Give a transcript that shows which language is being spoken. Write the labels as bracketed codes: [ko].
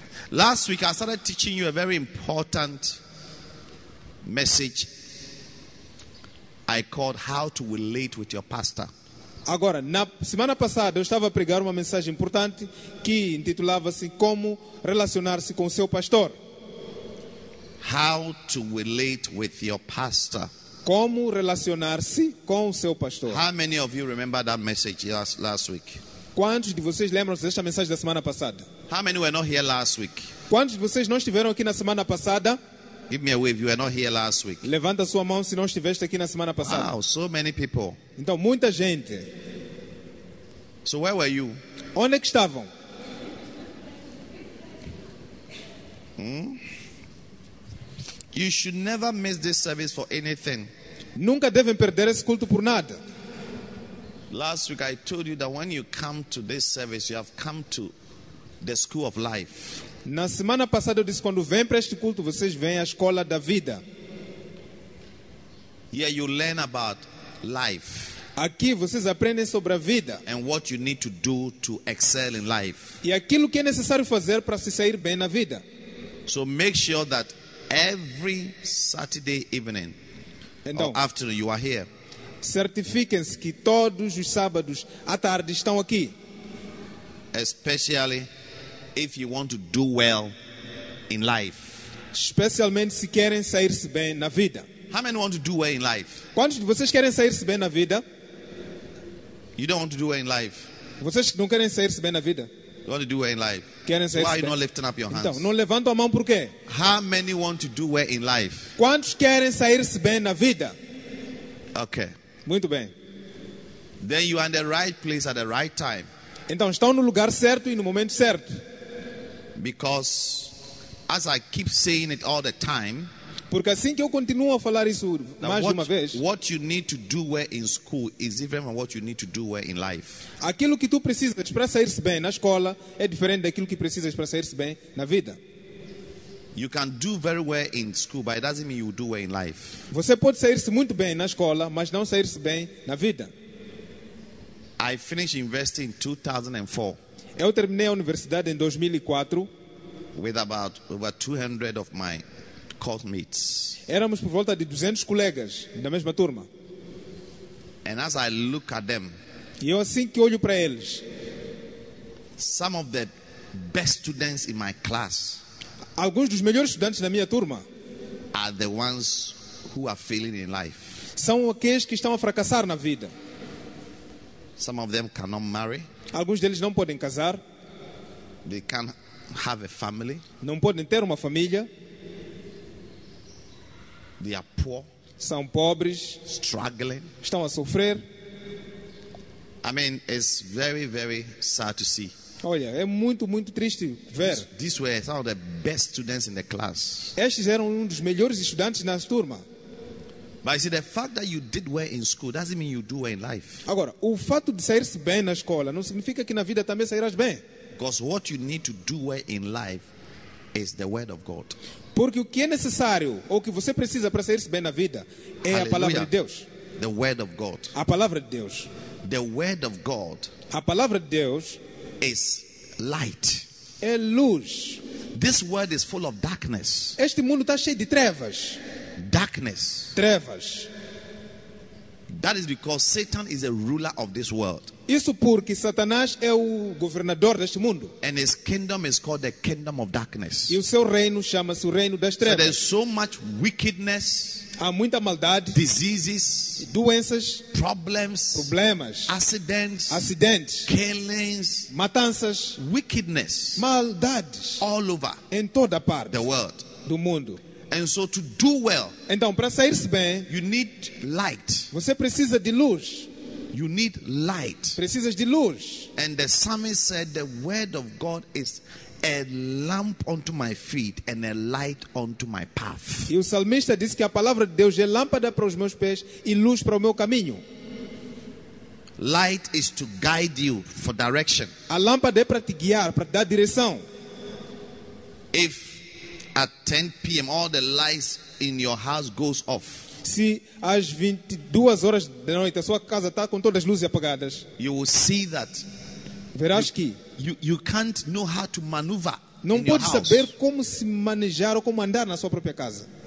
[en] Last week I started teaching you a very important message. I called how to relate with your pastor. [pt] Agora, na semana passada eu estava a pregar uma mensagem importante que intitulava-se Como relacionar-se com o seu pastor. [en] How to relate with your pastor. [pt] Como relacionar-se com o seu pastor. [en] How many of you remember that message last week? [pt] Quantos de vocês lembram-se desta mensagem da semana passada? [en] How many were not here last week? [pt] Quantos de vocês não estiveram aqui na semana passada? [en] Give me a wave, you were not here last week. [pt] Levanta sua mão se não estiveste aqui na semana passada. [en] Wow, so many people. [pt] Então, muita gente. [en] So where were you? [pt] Onde é que estavam? [en] You should never miss this service for anything. [pt] Nunca devem perder esse culto por nada. [en] Last week I told you that when you come to this service, you have come to the school of life. [pt] Na semana passada eu disse, quando vem para este culto, vocês vêm à escola da vida. [en] Here you learn about life. [pt] Aqui vocês aprendem sobre a vida. [en] And what you need to do to excel in life. [pt] E aquilo que é necessário fazer para se sair bem na vida. [en] So make sure that every Saturday evening, [pt] então, [en] or afternoon you are here. [pt] Certifiquem-se que todos os sábados à tarde estão aqui. [en] Especially if you want to do well in life. [pt] Especialmente se querem sair-se bem na vida. [en] How many want to do well in life? [pt] Quantos de vocês querem sair-se bem na vida? [en] You don't want to do well in life. [pt] Vocês não querem sair-se bem na vida? [en] You want to do well in life. [pt] Querem sair-se [en] Why are you [pt] bem? [en] Not lifting up your hands? [pt] Então, não levanto a mão por quê? [en] How many want to do well in life? [pt] Quantos querem sair-se bem na vida? [en] Okay. [pt] Muito bem. [en] Then you are in the right place at the right time. [pt] Então, estão no lugar certo e no momento certo. [en] Because as I keep saying it all the time, [pt] porque assim que eu continuo a falar isso mais de uma vez, [en] what you need to do well in school is different from what you need to do well in life. [pt] Aquilo que tu precisas para sair-se bem na escola é diferente daquilo que precisas para sair-se bem na vida. [en] You can do very well in school, but it doesn't mean you do well in life. [pt] Você pode sair-se muito bem na escola, mas não sair-se bem na vida. [en] I finished university in 2004. [pt] Eu terminei a universidade em 2004. [en] With about over 200 of my course mates. [pt] Éramos por volta de 200 colegas da mesma turma. [en] And as I look at them, [pt] e eu assim que olho para eles, [en] some of the best students in my class, [pt] alguns dos melhores estudantes da minha turma, [en] are the ones who are failing in life. [pt] São aqueles que estão a fracassar na vida. [en] Some of them cannot marry. [pt] Alguns deles não podem casar. [en] They can't have a family. [pt] Não podem ter uma família. [en] They are poor. [pt] São pobres. [en] Struggling. [pt] Estão a sofrer. [en] I mean, it's very, very sad to see. [pt] Olha, é muito, muito triste ver. [en] These were some of the best students in the class. [pt] Estes eram um dos melhores estudantes na turma. [en] But you see, the fact that you did well in school doesn't mean you do well in life. [pt] Agora, o fato de sair-se bem na escola não significa que na vida também sairás bem. [en] Because what you need to do well in life is the word of God. [pt] Porque o que é necessário ou o que você precisa para sair-se bem na vida é a palavra de Deus. [en] The word of God. [pt] A palavra de Deus. [en] The word of God. [pt] A palavra de Deus [en] is light. [pt] É luz. [en] This world is full of darkness. [pt] Este mundo está cheio de trevas. [en] Darkness. [pt] Trevas. [en] That is because Satan is a ruler of this world. [pt] Isso porque Satanás é o governador deste mundo. [en] And his kingdom is called the kingdom of darkness. [pt] E o seu reino chama-se o reino das trevas. [en] So there is so much wickedness. [pt] Há muita maldade. [en] Diseases. [pt] Doenças. [en] Problems. [pt] Problemas. [en] Accidents. [pt] Acidentes. [en] Killings. [pt] Matanças. [en] Wickedness. [pt] Maldades. [en] All over. [pt] Em toda parte. [en] The world. [pt] Do mundo. [en] And so to do well, [pt] então, para sair-se bem, [en] you need light. [pt] Você precisa de luz. [en] You need light. [pt] Precisas de luz. [en] And the psalmist said, the word of God is a lamp unto my feet and a light unto my path. [pt] E o salmista disse que a palavra de Deus é lâmpada para os meus pés e luz para o meu caminho. [en] Light is to guide you for direction. [pt] A lâmpada é para te guiar, para te dar direção. [en] If at 10 p.m. all the lights in your house goes off. [pt] Se às 22 horas da noite a sua casa está com todas as luzes apagadas, [en] you will see that. [pt] Verás [en] you, [pt] que [en] you can't know how to maneuver. [pt] Não [en] in [pt] pode [en] your [pt] saber [en] house. [pt] Como se manejar ou como andar na sua própria casa.